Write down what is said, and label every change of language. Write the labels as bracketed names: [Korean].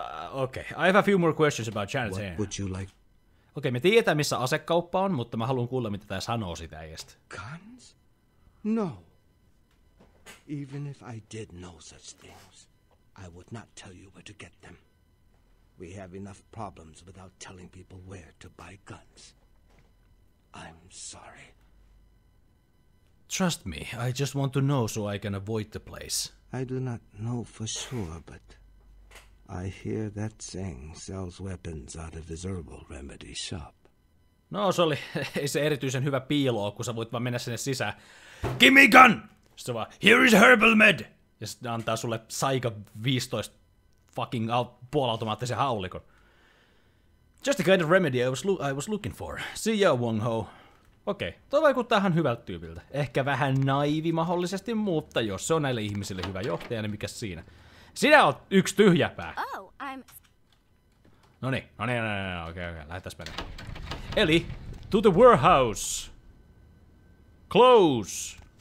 [English] Okay, I have a few more questions about Chinatown. What would you like? [Finnish] Okay, me tiedetään missä asekauppa on, mutta mä haluan kuulla mitä tää sanoo sitä äijästä. [English] Guns? No. Even if I did know such things, I would not tell you where to get them. We have enough problems without telling people where to buy guns. I'm sorry. Trust me, I just want to know so I can avoid the place. I do not know for sure, but I hear that Zeng sells weapons out of his herbal remedy shop. [Finnish] No, se oli, ei se erityisen hyvä piilo, kun sä voit vaan mennä sinne sisään. [English] Give me gun! [Finnish] Sitten vaan, [English] here is herbal med! [Finnish] Ja sitten antaa sulle saika 15 fucking puolautomaattisen haulikon. [English] Just the kind of remedy I was looking for. See ya, Wong Ho. [Finnish] Okei, toi vaikuttaa ihan hyvältä tyypiltä. Ehkä vähän naivi mahdollisesti, mutta jos se on näille ihmisille hyvä johtaja, niin mikä siinä? Sinä oot yksi tyhjäpää. [English] Oh, I'm... [Finnish] No niin, okei, lähdetään mennä. Eli, [English] to the warehouse. Close.